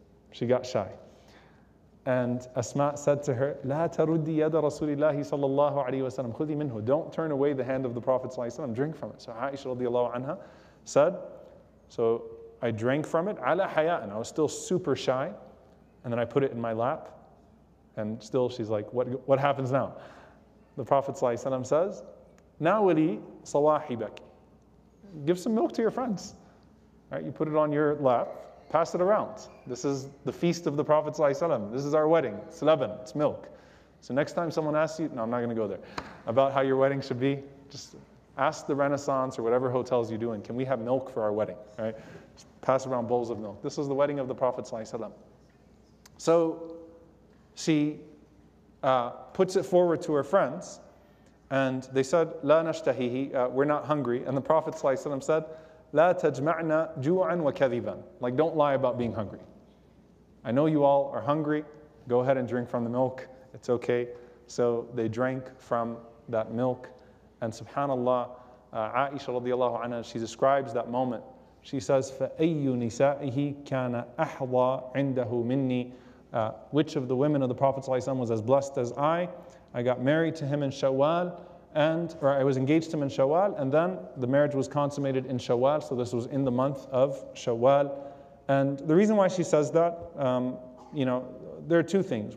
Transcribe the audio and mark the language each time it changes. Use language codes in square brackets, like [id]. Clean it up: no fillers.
[en] She got shy. And Asma said to her, [ar] لا تردي يد رسول الله صلى الله عليه وسلم خذي منه. [en] Don't turn away the hand of the Prophet صلى الله عليه وسلم. Drink from it. So Aisha radiallahu anha said, so I drank from it [ar] على حياء, [en] and I was still super shy, and then I put it in my lap, and still she's like, what happens now? The Prophet [ar] صلى الله عليه وسلم [en] says, [ar] ناولي صواحبك. [en] Give some milk to your friends. Right, you put it on your lap. Pass it around. This is the feast of the Prophet ﷺ. This is our wedding. It's leaven. It's milk. So next time someone asks you, no, I'm not going to go there, about how your wedding should be, just ask the Renaissance or whatever hotels you do in, can we have milk for our wedding? Right? Just pass around bowls of milk. This is the wedding of the Prophet ﷺ. So she puts it forward to her friends, and they said, [ar] لا نشتهيه, [en] we're not hungry. And the Prophet ﷺ said, [ar] لا تجمعنا جوعا وكذبا. [en] Like, don't lie about being hungry. I know you all are hungry. Go ahead and drink from the milk. It's okay. So they drank from that milk. And subhanAllah, Aisha radiallahu anha, she describes that moment. She says, [ar] فأي نسائه كان أحظى عنده مني. [en] Which of the women of the Prophet ﷺ was as blessed as I? I got married to him in Shawwal, or I was engaged to him in Shawwal, and then the marriage was consummated in Shawwal, so this was in the month of Shawwal. And the reason why she says that, you know, there are two things.